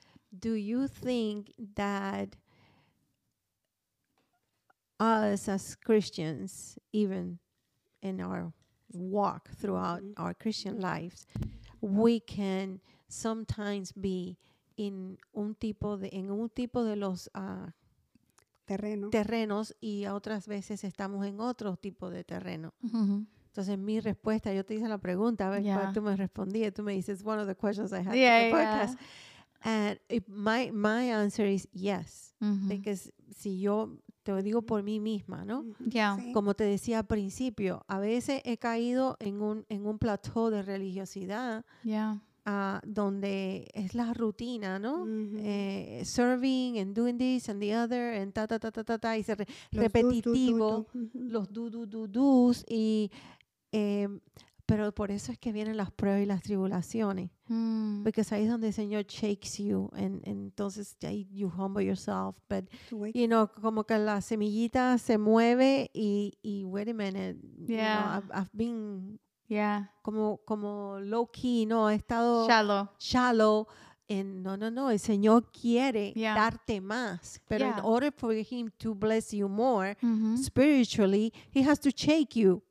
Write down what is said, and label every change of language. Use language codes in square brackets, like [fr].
[en] Do you think that us as Christians, even in our walk throughout our Christian lives, we can sometimes be in un tipo de los [es] terrenos y otras veces estamos en otro tipo de terreno? Mm-hmm. Entonces, mi respuesta, yo te hice la pregunta, a ver cuál tú me respondías. [en] Tú me dices, one of the questions I had in the podcast. And my answer is yes. Mm-hmm. [es] Porque si yo te lo digo por mí misma, ¿no? [en] Yeah. Sí. [es] Como te decía al principio, a veces he caído en un plateau de religiosidad. [en] Yeah. [es] Donde es la rutina, ¿no? Mm-hmm. [en] Serving and doing this and the other and ta, ta, ta, ta, ta, ta. [es] Y ser repetitivo. Los do's y... pero por eso es que vienen las pruebas y las tribulaciones. Mm. Porque ahí es donde el Señor shakes you. Entonces, ahí you humble yourself. But, you know, como que la semillita se mueve y wait a minute. [en] Yeah. You know, I've been como low key, ¿no? He estado shallow. And no. [es] El Señor quiere darte más. [en] Pero in order for Him to bless you more, mm-hmm. spiritually, He has to shake you.